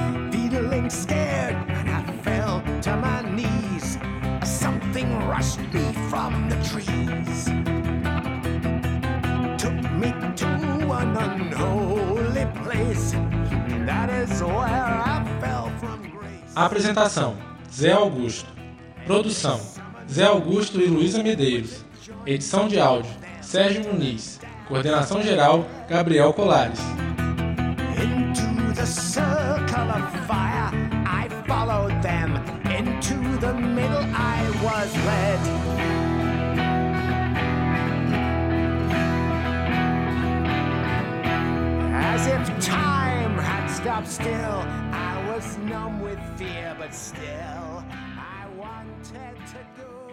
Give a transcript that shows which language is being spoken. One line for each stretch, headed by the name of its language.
English: Feeling scared, and I fell to my knees. Something rushed me from the trees, took me to an unholy place. That is where I fell from grace.
Portuguese: Apresentação: Zé Augusto. Produção: Zé Augusto e Luísa Medeiros. Edição de áudio: Sérgio Muniz. Coordenação geral: Gabriel Colares.
English: Into the circle of fire, I followed them. Into the middle, I was led. if time had stopped still. I was numb with fear, but still I wanted to go.